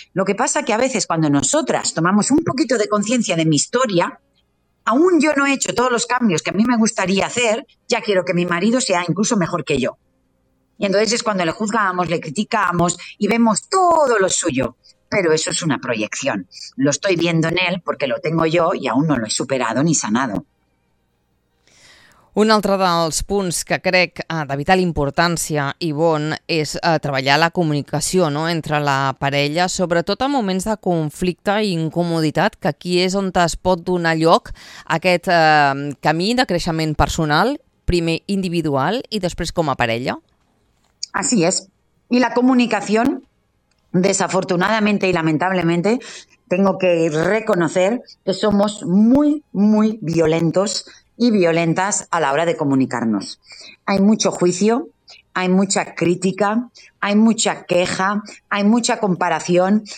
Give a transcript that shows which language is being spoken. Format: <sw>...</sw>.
<es>Lo que pasa es que a veces cuando nosotras tomamos un poquito de conciencia de mi historia, aún yo no he hecho todos los cambios que a mí me gustaría hacer, ya quiero que mi marido sea incluso mejor que yo. Y entonces es cuando le juzgamos, le criticamos y vemos todo lo suyo. Pero eso es una proyección. Lo estoy viendo en él porque lo tengo yo y aún no lo he superado ni sanado.</es> <ca>Un altre dels punts que crec de vital importància, Ivonne, és treballar la comunicació, no?, entre la parella, sobretot en moments de conflicte i incomoditat, que aquí és on es pot donar lloc a aquest camí de creixement personal, primer individual i després com a parella.</ca> <es>Así es. Y la comunicación, desafortunadamente y lamentablemente, tengo que reconocer que somos muy, muy violentos y violentas a la hora de comunicarnos. Hay mucho juicio, hay mucha crítica, hay mucha queja, hay mucha comparación.</es>